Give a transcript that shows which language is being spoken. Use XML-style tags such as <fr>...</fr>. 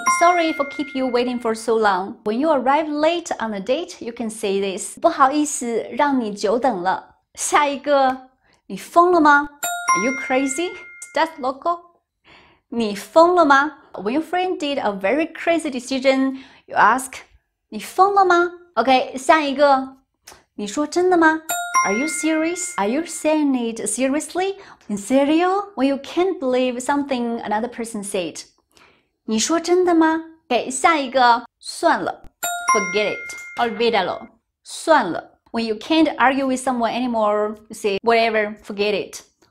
<en>Sorry for keep you waiting for so long. When you arrive late on a date, you can say this.</en> <zh>不好意思，让你久等了。下一个，你疯了吗？</zh> <en>Are you crazy? Is that local?</en> <zh>你疯了吗？</zh> <en>When your friend did a very crazy decision, you ask,</en> <zh>你疯了吗？ OK, 下一个，你说真的吗？</zh> <en>Are you serious? Are you saying it seriously?</en> <es>In serio?</es> <en>When you can't believe something another person said.</en> <zh>你说真的吗？OK, 下一个。算了。</zh> <en>Forget it.</en> <es>Olvídalo.</es> <zh>算了。</zh> <en>When you can't argue with someone anymore, you say, whatever, forget it.</en>